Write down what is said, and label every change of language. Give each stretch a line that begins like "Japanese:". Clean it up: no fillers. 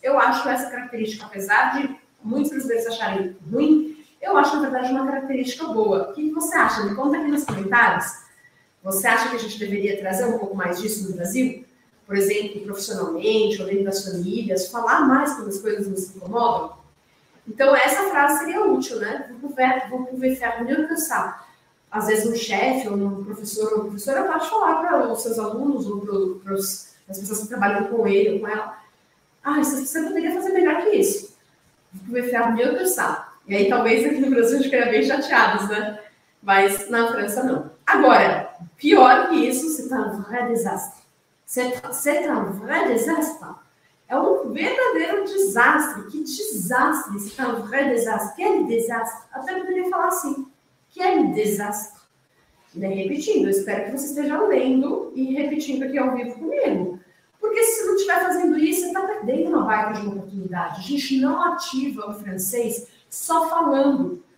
Portuguese: Eu acho essa característica, apesar de muitos brasileiros acharem ruim, eu acho, na verdade, uma característica boa. O que você acha? Me conta aqui nos comentários. Você acha que a gente deveria trazer um pouco mais disso no Brasil? Por exemplo, profissionalmente, ou dentro das famílias, falar mais quando as coisas nos incomodam? Então, essa frase seria útil, né?
French: Vou pouvoir faire mieux que ça.
Portuguese: Às vezes um chefe, ou um professor, ou uma professora pode falar para os seus alunos, ou para as pessoas que trabalham com ele, ou com ela. Ah, você poderia fazer melhor que isso.
French: Vou pouvoir faire mieux que ça.
Portuguese: E aí, talvez, aqui no Brasil, a gente fique bem chateados, né? Mas na França, não. Agora, pior que isso,
French: c'est un vrai désastre. C'est un vrai désastre.
Portuguese: É um verdadeiro desastre. Que desastre.
French: C'est un vrai désastre. Quel désastre.
Portuguese: Até poderia falar assim.
French: Quel désastre.
Portuguese: Né? Repetindo. Eu espero que vocês estejam lendo e repetindo aqui ao vivo comigo. Porque se não estiver fazendo isso, você está perdendo uma baita de uma oportunidade. A gente não ativa o francês só falando.